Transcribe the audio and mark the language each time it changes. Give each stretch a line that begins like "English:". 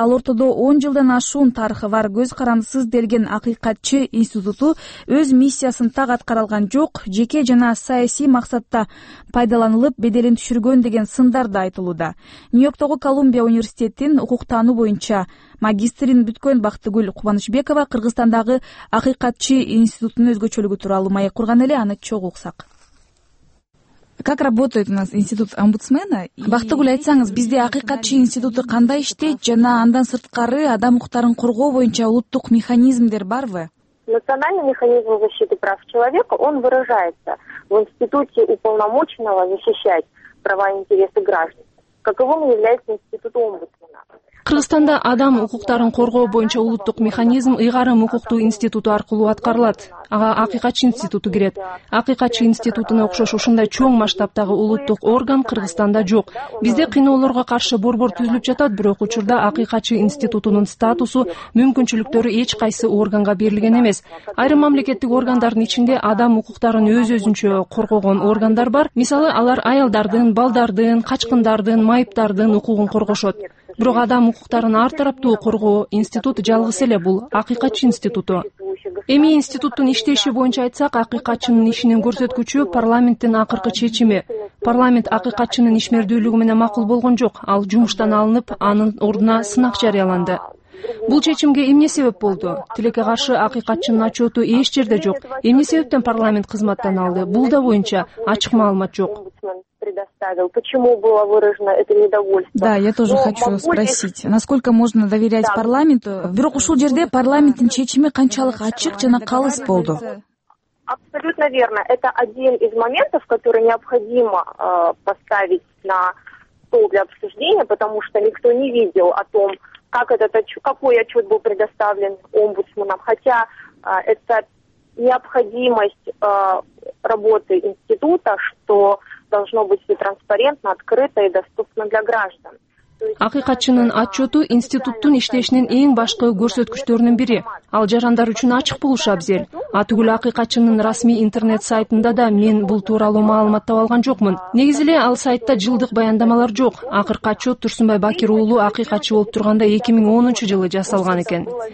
Kyrgyz: Ал ортодо 10 жылдан ашуун тарыхы бар көз карандысыз делген акыйкатчы институту өз миссиясын так аткара алган жок, жеке жана саясий максатта пайдаланылып беделин түшүргөн деген сындар да айтылууда. Нью-Йорктогу Колумбия университетин укуктануу боюнча магистрин бүткөн Бактыгүл Кубанычбекова Кыргызстандагы акыйкатчы институтунун өзгөчөлүгү тууралуу маек курган эле, аны чогуу уксак.
Russian: Как работает у нас институт омбудсмена?
Kyrgyz: Бактыгүл, айтсаңыз, бизде акыйкатчы институту кандай иштейт жана андан сырткары адам укуктарын коргоо боюнча улуттук механизмдер барбы?
Russian: Национальный механизм защиты прав человека, он выражается в институте уполномоченного защищать права и интересы граждан, каковым является институт омбудсмена.
Kyrgyz: Кыргызстанда адам укуктарын коргоо боюнча улуттук механизм ыйгарым укуктуу институту аркылуу аткарылат. Ага акыйкатчы институту кирет. Акыйкатчы институтуна окшош ушундай чоң масштабтагы улуттук орган Кыргызстанда жок. Бизде кыйноолорго каршы борбор түзүлүп жатат, бирок учурда акыйкатчы институтунун статусу, мүмкүнчүлүктөрү эч кайсы органга берилген эмес. Айрым мамлекеттик органдардын ичинде адам укуктарын өз өзүнчө коргогон органдар бар. Мисалы, алар аялдардын, балдардын, качкындардын, майыптардын укугун коргошот. Бирок адам укуктарын ар тараптуу коргоо институту жалгыз эле бул акыйкатчы институту. Эми институттун иштеши боюнча айтсак, акыйкатчынын ишинин көрсөткүчү парламенттин акыркы чечими. Парламент акыйкатчынын ишмердүүлүгү менен макул болгон жок, ал жумуштан алынып, анын ордуна сынак жарыяланды. Бул чечимге эмне себеп болду? Тилекке каршы акыйкатчынын отчёту эч жерде жок. Эмне себептен парламент кызматтан алды? Бул да боюнча ачык маалымат жок.
Russian: Почему было выражено это недовольство? Да, я тоже хочу спросить, насколько можно доверять парламенту?
Kyrgyz: Бирок ушул жерде парламенттин чечими канчалык ачык жана калыс болду?
Russian: Абсолютно верно. Это один из моментов, который необходимо поставить на стол для обсуждения, потому что никто не видел о том, как этот отчет, какой отчет был предоставлен омбудсменам. Хотя это необходимость работы института, что должно быть все транспарентно, открыто и доступно для граждан.
Kyrgyz: Акыйкатчынын отчету институттун иштешинин эң башкы көрсөткүчтөрүнүн бири. Ал жарандар үчүн ачык болушу абзел. Атүгүл акыйкатчынын расмий интернет сайтында да мен бул тууралуу маалымат таап алган жокмун. Негизи эле ал сайтта жылдык баяндамалар жок. Акыркы отчет Турсунбай Бакир уулу акыйкатчы болуп турганда 2010 жылы жасалган экен.